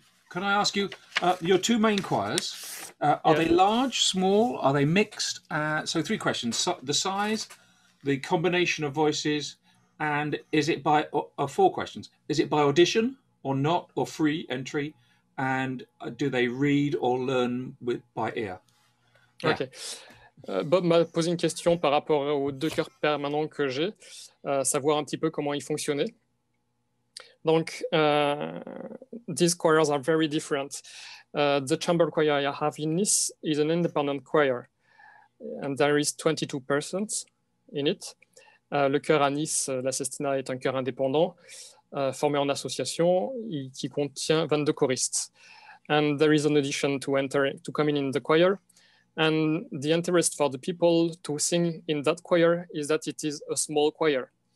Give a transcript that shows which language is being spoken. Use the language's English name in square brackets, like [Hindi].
[English] Can I ask you, your two main choirs, are they large, small, are they mixed? So three questions, the size, the combination of voices, and is it by, four questions, is it by audition or not, or free entry, and do they read or learn by ear? Yeah. Okay. [French] Bob m'a posé une question par rapport aux deux chœurs permanents que j'ai, savoir un petit peu comment ils fonctionnaient. [English] Donc, these choirs are very different. The chamber choir I have in Nice is an independent choir, and there is 22 persons in it. [French] Le chœur à Nice, la Sestina, est un chœur indépendant, formé en association, qui contient 22 choristes. [English] And there is an audition to come in the choir. And the interest for the people to sing in that choir is that it is a small choir.